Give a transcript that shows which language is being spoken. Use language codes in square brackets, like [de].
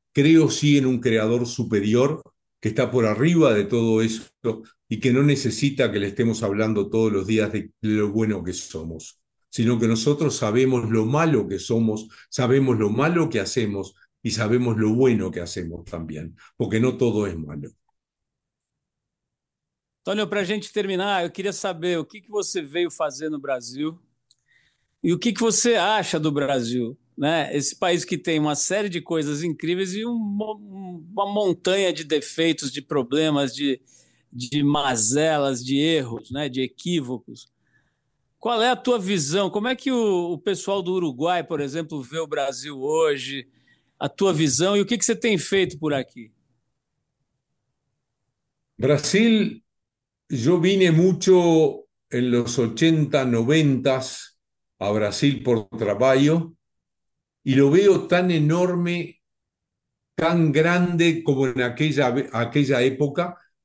[es] Creo sí en un creador superior que está por arriba de todo eso y que no necesita que le estemos hablando todos los días de lo bueno que somos, sino que nosotros sabemos lo malo que somos, sabemos lo malo que hacemos y sabemos lo bueno que hacemos también, porque no todo es malo. [pt] Antônio, para a gente terminar, eu queria saber o que que você veio fazer no Brasil e o que que você acha do Brasil, né? Esse país que tem uma série de coisas incríveis e uma montanha de defeitos, de problemas, de mazelas, de erros, né? De equívocos. Qual é a tua visão? Como é que o pessoal do Uruguai, por exemplo, vê o Brasil hoje? A tua visão e o que que você tem feito por aqui? [es] Brasil, yo vine mucho en los 80, 90 a Brasil por trabajo y lo veo tan enorme, tan grande como en aquella época.